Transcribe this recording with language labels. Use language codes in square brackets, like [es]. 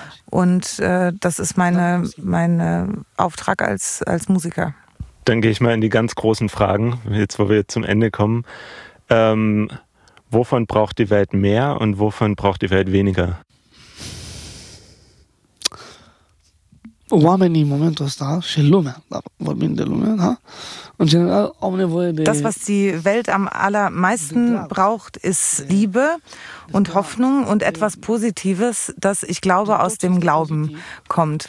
[de] Und das ist mein Auftrag als Musiker. Dann gehe ich mal in die ganz großen Fragen, jetzt wo wir zum Ende kommen. Wovon braucht die Welt mehr und wovon braucht die Welt weniger? [ro] Oamenii în momentul ăsta și lumea, dar vorbim de lumea, da? În general, au nevoie de... [de] Das, was die Welt am allermeisten braucht, ist Liebe und Hoffnung und etwas Positives, das, ich glaube, aus dem Glauben kommt.